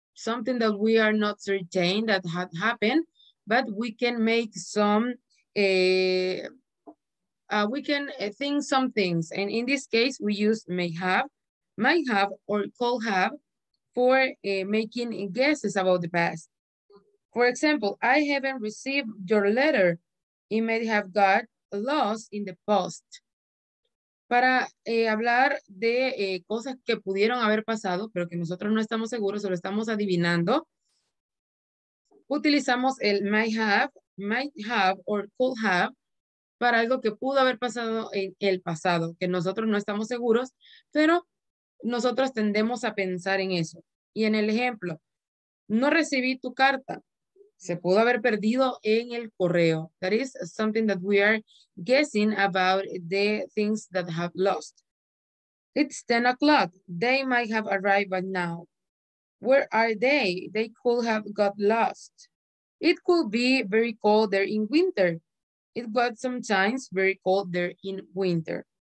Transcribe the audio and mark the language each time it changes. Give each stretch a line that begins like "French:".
English: Something that we are not certain that had happened, but we can make some, we can think some things. And in this case, we use may have, might have, or could have for making guesses about the past. For example, I haven't received your letter. It may have got lost in the post.
Spanish: Para hablar de cosas que pudieron haber pasado, pero que nosotros no estamos seguros, solo estamos adivinando, utilizamos el might have, or could have, para algo que pudo haber pasado en el pasado, que nosotros no estamos seguros, pero nosotros tendemos a pensar en eso. Y en el ejemplo, no recibí tu carta. Se pudo haber perdido en el correo.
English: That is something that we are guessing about the things that have lost. It's 10 o'clock. They might have arrived by now. Where are they? They could have got lost. It could be very cold there in winter. It was sometimes very cold there in winter.